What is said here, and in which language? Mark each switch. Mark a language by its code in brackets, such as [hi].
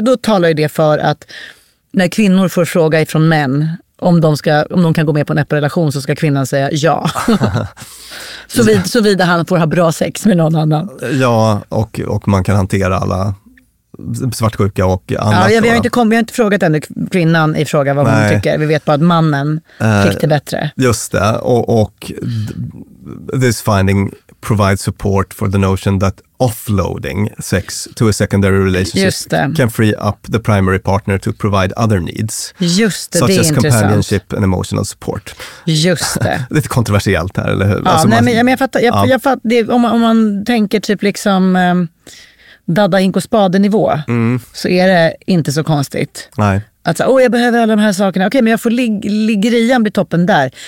[sv] Då talar ju det för att när kvinnor får fråga ifrån män om de kan gå med på en öppen relation, så ska kvinnan säga ja. Såvida han får ha bra sex med någon annan. Ja, och man kan hantera alla svartsjuka och annat. Ja, vi har inte frågat ännu kvinnan i fråga vad hon tycker. Vi vet bara att mannen fick det bättre. Just det. Och [en] this finding provides support for the notion that offloading sex to a secondary relationship can free up the primary partner to provide other needs. [sv] Just det, [en] such [sv] det [en] as [sv] intressant. [en] Companionship and emotional support. [sv] Just det. Lite kontroversiellt här, eller hur? Ja, alltså, om man tänker typ liksom dadda ink och spade nivå så är det inte så konstigt. Nej. Alltså, jag behöver alla de här sakerna. Okej, men jag får liggerian bli toppen där.